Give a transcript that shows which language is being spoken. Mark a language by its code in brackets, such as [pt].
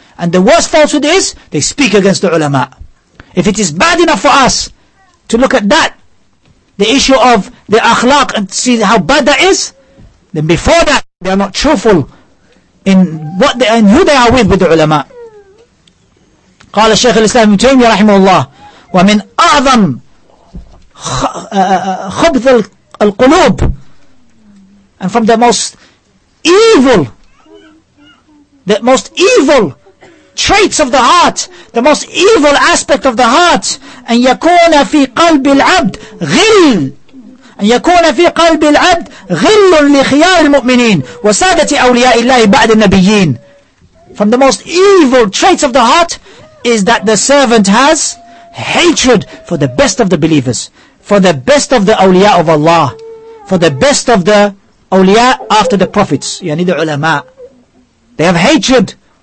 [en] And the worst falsehood is, they speak against the ulama. If it is bad enough for us to look at that, the issue of the akhlaq, and see how bad that is, then before that, they are not truthful in what they and who they are with the ulama. [ar] قال الشيخ الإسلام ابن تيمية رحمه الله ومن أعظم خبث القلوب, [en] and from the most evil, the most evil traits of the heart, [ar] the most evil aspect of the heart, أن يكون في قلب العبد غل, أن يكون في قلب العبد غل لخيار المؤمنين وسادة أولياء الله بعد النبيين. [en] From the most evil traits of the heart is that the servant has hatred for the best of the believers, for the best of the awliya of Allah, for the best of the awliya after the prophets, yani the ulama. They have hatred.